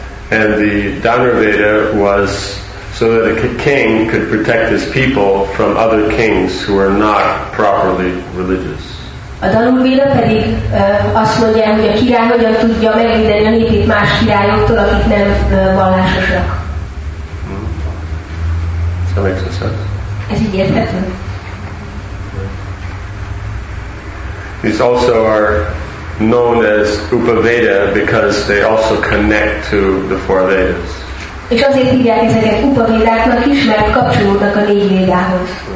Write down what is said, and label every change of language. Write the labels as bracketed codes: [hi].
[en] And the Dhanurveda was so that a king could protect his people from other kings who are not properly religious. [hu] A Dhanurveda pedig azt mondja, hogy a király hogyan tudja megvédeni a népét más királyoktól, akik nem vallásosak. [en] That makes sense. [hu] Ez így érthető. [en] These also are known as Upaveda because they also connect to the four Vedas. [hu] És azért hívják ezeket Upavedáknak is, mert kapcsolódnak a négy Védához.